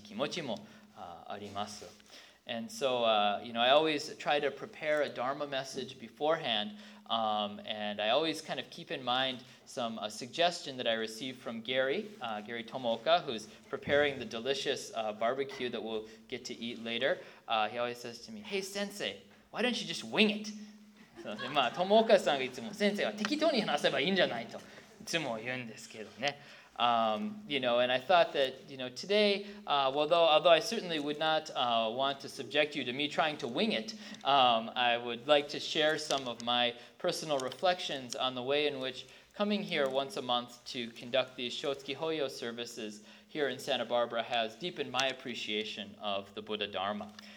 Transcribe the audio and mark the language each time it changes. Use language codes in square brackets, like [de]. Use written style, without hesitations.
[ja] ここで、ここを持って、私のここのスーパーバイズングミニスターとしての最後のご法話ですので、悲しいような、仏様の取り次ぎはいつも喜びのことなんですけど、ちょっと悲しい気持ちもあります。 [en] And so, you know, I always try to prepare a Dharma message beforehand, and I always kind of keep in mind some a suggestion that I received from Gary Tomoka, who's preparing the delicious barbecue that we'll get to eat later. He always says to me, "Hey, Sensei, why don't you just wing it?" [ja] まあ、トモカさんがいつも先生は適当に話せばいいんじゃないといつも言うんですけどね。 [en] you know, and I thought that, you know, today, although I certainly would not want to subject you to me trying to wing it, I would like to share some of my personal reflections on the way in which coming here once a month to conduct these Shotsuki Hoyo services here in Santa Barbara has deepened my appreciation of the Buddha Dharma.